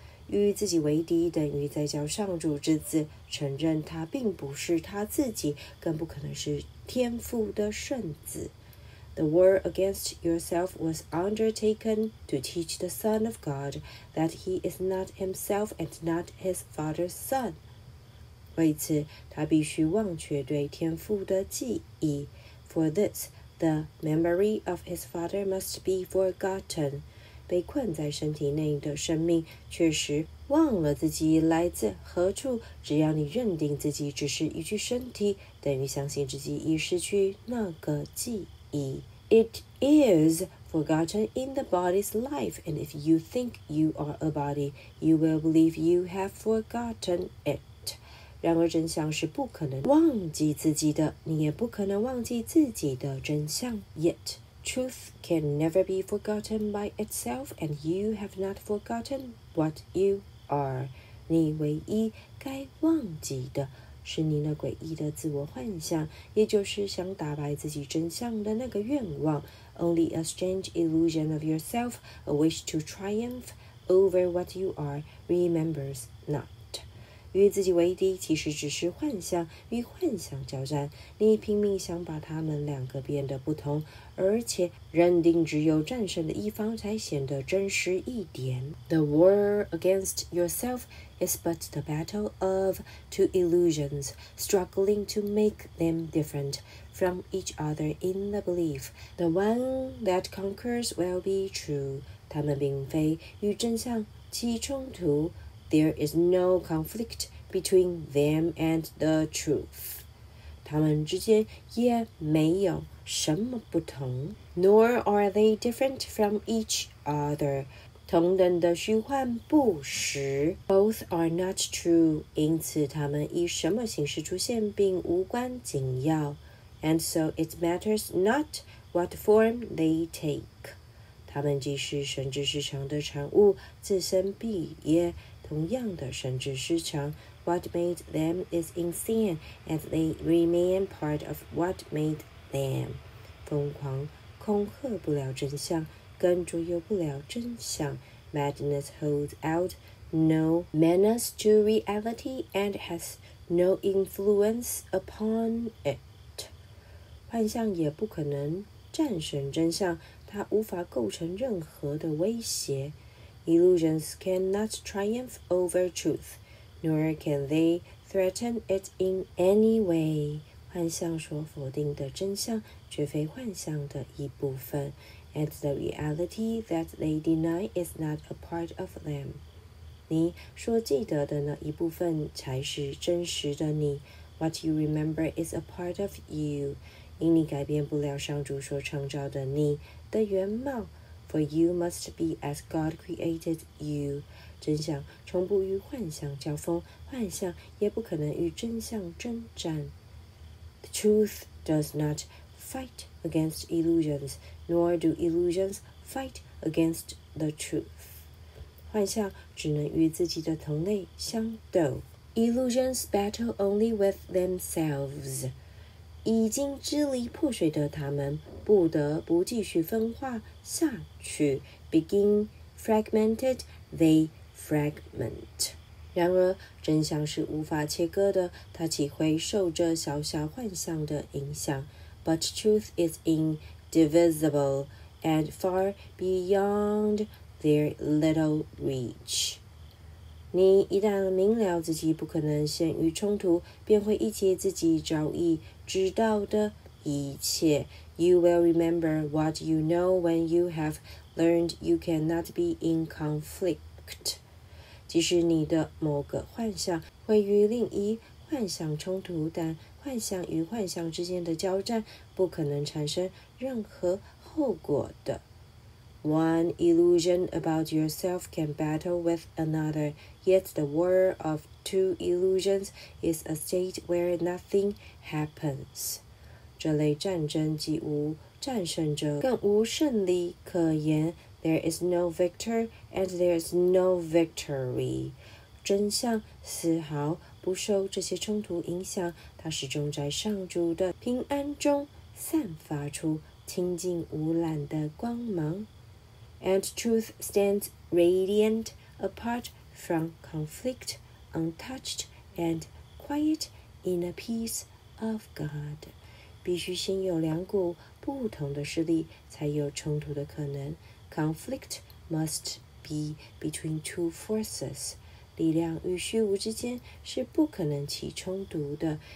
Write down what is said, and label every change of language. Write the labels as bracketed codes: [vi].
[zh] 与自己为敌等于在叫上主之子承认他并不是他自己，更不可能是天父的圣子。 [en] The war against yourself was undertaken to teach the Son of God that he is not himself and not his father's son. [zh] 为此他必须忘却对天父的记忆。 [en] For this, the memory of his father must be forgotten. [zh] 被困在身体内的生命确实忘了自己来自何处。只要你认定自己只是一具身体，等于相信自己已失去那个记忆。 [en] It is forgotten in the body's life, and if you think you are a body, you will believe you have forgotten it. [zh] 然而真相是不可能忘记自己的，你也不可能忘记自己的真相。 [en] Yet truth can never be forgotten by itself, and you have not forgotten what you are. [zh] 你唯一该忘记的是你那诡异的自我幻想，也就是想打败自己真相的那个愿望， [en] only a strange illusion of yourself, a wish to triumph over what you are, remembers not. [zh] 与自己为敌其实只是幻想，与幻想交战，你拼命想把他们两个变得不同，而且认定只有战胜的一方才显得真实一点。 [en] The war against yourself is but the battle of two illusions, struggling to make them different from each other in the belief. The one that conquers will be true. [zh] 他们并非与真相起冲突。 [en] There is no conflict between them and the truth. [zh] 他们之间也没有什么不同。 [en] Nor are they different from each other. [zh] 同等的虚幻不实。 [en] Both are not true, [zh] 因此他们以什么形式出现并无关紧要。 [en] And so it matters not what form they take. [zh] 他们既是神智失常的产物，自身必也同样的神智失常。 [en] What made them is insane, and they remain part of what made them. [zh] 疯狂，恐吓不了真相，跟左右不了真相。 [en] Madness holds out no menace to reality and has no influence upon it. [zh] 幻象也不可能战胜真相，它无法构成任何的威胁。 [en] Illusions cannot triumph over truth, nor can they threaten it in any way. [zh] 幻象所否定的真相绝非幻象的一部分。 [en] And the reality that they deny is not a part of them. [zh] 你所记得的那一部分才是真实的你。 [en] What you remember is a part of you. [zh] 因你改变不了上主所创造的你的原貌。 [en] For you must be as God created you. [zh] 真相从不与幻象交锋，幻象也不可能与真相征战。 [en] The truth does not fight against illusions. Nor do illusions fight against the truth. [zh] 幻象只能与自己的同类相斗。 [en] Illusions battle only with themselves. [zh] 已经支离破碎的他们不得不继续分化下去。 [en] Begin fragmented, they fragment. [zh] 然而真相是无法切割的，它岂会受这小小幻象的影响。 [en] But truth is in... divisible and far beyond their little reach. [zh] 你一旦明了自己不可能陷于冲突，便会忆起自己早已知道的一切。 [en] You will remember what you know when you have learned you cannot be in conflict. [zh] 即使你的某个幻象会与另一幻象冲突，但幻象与幻象之间的交战不可能产生任何后果的。 [en] One illusion about yourself can battle with another, yet the war of two illusions is a state where nothing happens. [zh] 这类战争既无战胜者，更无胜利可言。 [en] There is no victor and there is no victory. [zh] 真相丝毫不受这些冲突影响，它始终在上主的平安中散发出清净无染的光芒。 [en] And truth stands radiant apart from conflict, untouched and quiet in the peace of God. [zh] 必须先有两股不同的势力才有冲突的可能。 [en] Conflict must be between two forces. [zh] 力量与虚无之间是不可能起冲突的。